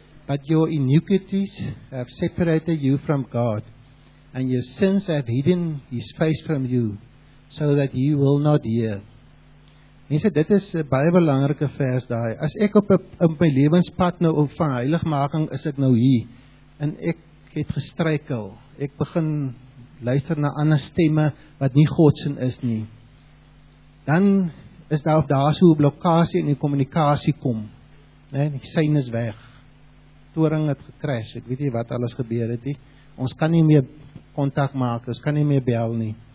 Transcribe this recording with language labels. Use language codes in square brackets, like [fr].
[en] But your iniquities have separated you from God, and your sins have hidden his face from you, so that he will not hear. [af] Mense, dit is een baie belangrike vers daar. As ek op my lewenspad nou van heiligmaking is ek nou hier, en ek het gestruikel, ek begin luister na ander stemme wat nie Godsin is nie, dan is daar of daar so blokkade in die kommunikasie kom, nee, die syne is weg, toring het gekras, ek weet nie wat alles gebeur het nie, ons kan nie meer contact maak, ons kan nie meer bel nie,